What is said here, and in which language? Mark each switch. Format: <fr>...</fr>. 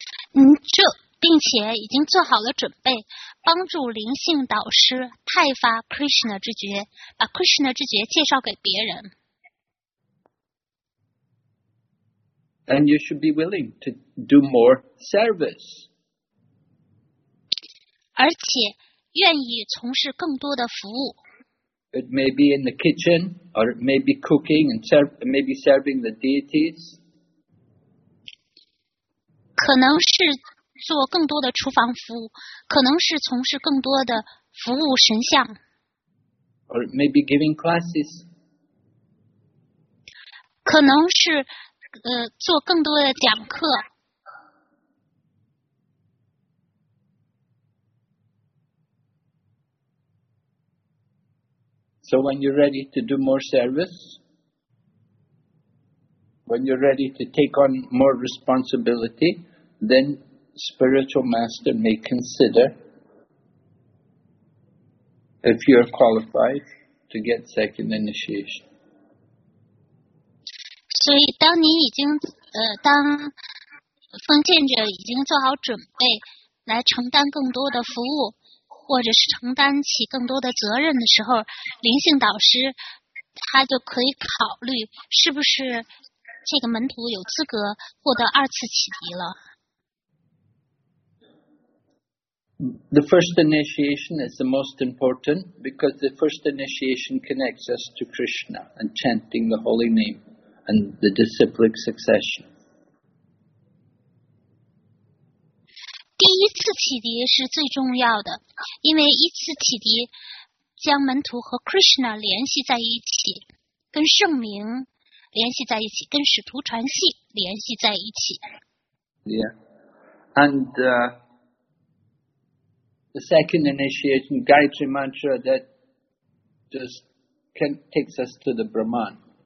<zh>你这并且已经做好了准备，帮助灵性导师派发 Krishna 之觉，把 Krishna 之觉介绍给别人。</zh> <en>And you should be willing to do more service.</en> <zh>而且愿意从事更多的服务。</zh> <en>It may be in the kitchen, or it may be cooking and maybe serving the deities.</en> <zh>可能是做更多的厨房服务，可能是从事更多的服务神像。</zh> <en>Or maybe giving classes.</en> <zh>可能是做更多的讲课。</zh> <en>So when you're ready to do more service, when you're ready to take on more responsibility, then spiritual master may consider if you're qualified to get second initiation.</en> <zh>所以当你已经当奉献者已经做好准备来承担更多的服务或者是承担起更多的责任的时候，灵性导师他就可以考虑是不是这个门徒有资格获得二次启迪了。</zh> <en>The first initiation is the most important because the first initiation connects us to Krishna and chanting the holy name. And the disciplic succession.</en> <zh>第一次启迪是最重要的，因为一次启迪将门徒和 Krishna 联系在一起，跟圣明联系在一起，跟使徒传系联系在一起。</zh> <en>Yeah. And the second initiation, Gayatri Mantra, that just takes us to the Brahman.</en>